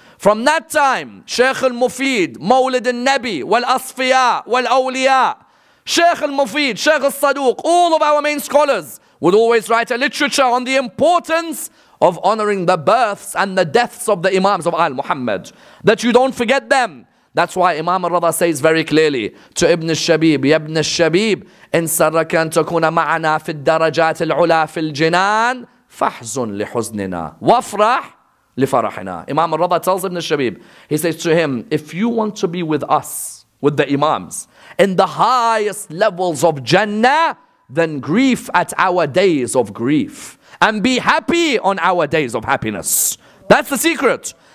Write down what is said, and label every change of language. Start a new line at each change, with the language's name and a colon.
English: From that time, Sheikh al-Mufid, Mawlid al-Nabi, wal-Asfiya, wal-Awliya, Sheikh al-Mufid, Sheikh al-Saduq, all of our main scholars would always write a literature on the importance of honoring the births and the deaths of the Imams of Al-Muhammad, that you don't forget them. That's why Imam al-Rada says very clearly to Ibn al-Shabib,
Arabic: Ya Ibn al-Shabib, إن سرك أن تكون معنا في الدرجات العلا في الجنان فحزن لحزننا وفرح لفرحنا.
English: Imam al-Rada tells Ibn al-Shabib, he says to him, if you want to be with us, with the Imams, in the highest levels of Jannah, then grieve at our days of grief and be happy on our days of happiness. That's the secret.